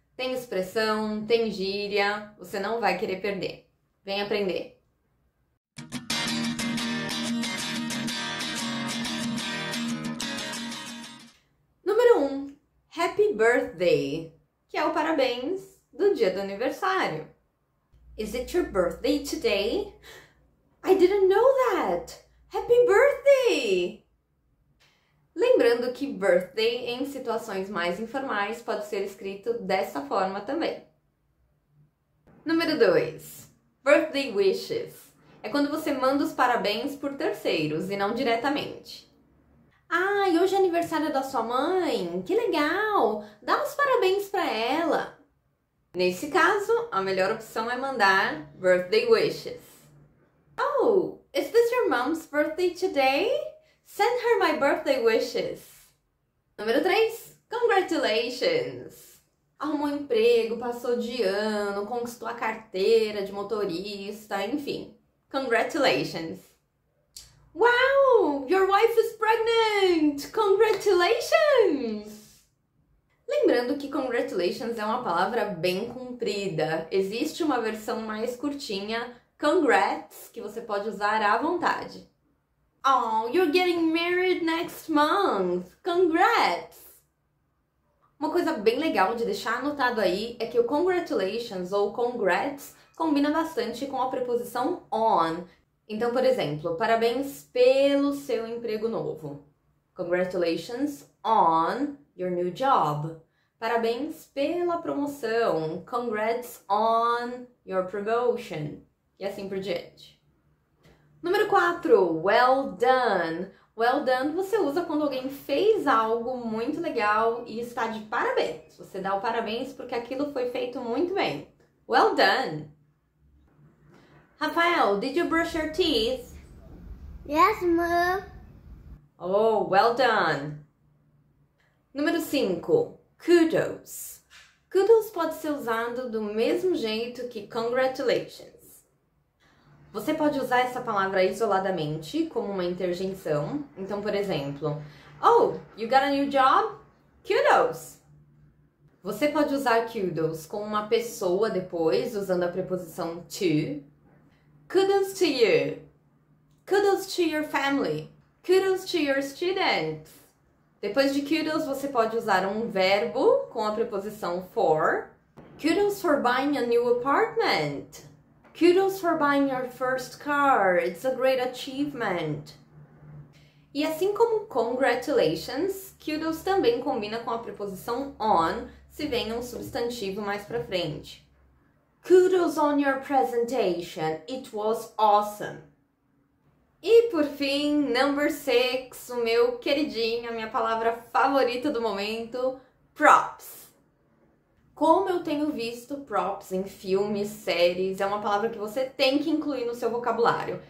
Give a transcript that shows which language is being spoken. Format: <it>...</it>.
<pt>Tem expressão, tem gíria, você não vai querer perder. Vem aprender! Número 1, Happy Birthday, que é o parabéns do dia do aniversário.</pt> <en>Is it your birthday today? I didn't know that! Happy birthday!</en> <pt>Lembrando que birthday em situações mais informais pode ser escrito dessa forma também. Número 2. Birthday wishes. É quando você manda os parabéns por terceiros e não diretamente. Ai, hoje é aniversário da sua mãe? Que legal! Dá os parabéns para ela. Nesse caso, a melhor opção é mandar birthday wishes.</pt> <en>Oh, is this your mom's birthday today? Send her my birthday wishes.</en> <pt>Número 3. Congratulations! Arrumou um emprego, passou de ano, conquistou a carteira de motorista, enfim.</pt> <en>Congratulations! Wow! Your wife is pregnant! Congratulations!</en> <pt>Lembrando que congratulations é uma palavra bem comprida. Existe uma versão mais curtinha, congrats, que você pode usar à vontade.</pt> <en>Oh, you're getting married next month! Congrats!</en> <pt>Uma coisa bem legal de deixar anotado aí é que o congratulations ou congrats combina bastante com a preposição on. Então, por exemplo, parabéns pelo seu emprego novo.</pt> <en>Congratulations on your new job.</en> <pt>Parabéns pela promoção.</pt> <en>Congrats on your promotion.</en> <pt>E assim por diante. Número 4, well done. Well done você usa quando alguém fez algo muito legal e está de parabéns. Você dá o parabéns porque aquilo foi feito muito bem.</pt> <en>Well done. Rafael, did you brush your teeth? Yes, ma'am. Oh, well done.</en> <pt>Número 5,</pt> <en>kudos.</en> <pt>Kudos pode ser usado do mesmo jeito que congratulations. Você pode usar essa palavra isoladamente, como uma interjeição. Então, por exemplo,</pt> <en>Oh, you got a new job? Kudos!</en> <pt>Você pode usar kudos com uma pessoa depois, usando a preposição to.</pt> <en>Kudos to you! Kudos to your family! Kudos to your students!</en> <pt>Depois de kudos, você pode usar um verbo com a preposição for.</pt> <en>Kudos for buying a new apartment! Kudos for buying your first car. It's a great achievement.</en> <pt>E assim como congratulations, kudos também combina com a preposição on, se vem um substantivo mais para frente.</pt> <en>Kudos on your presentation. It was awesome.</en> <pt>E por fim, number 6, o meu queridinho, a minha palavra favorita do momento, props. Como eu tenho visto props em filmes, séries, é uma palavra que você tem que incluir no seu vocabulário.</pt>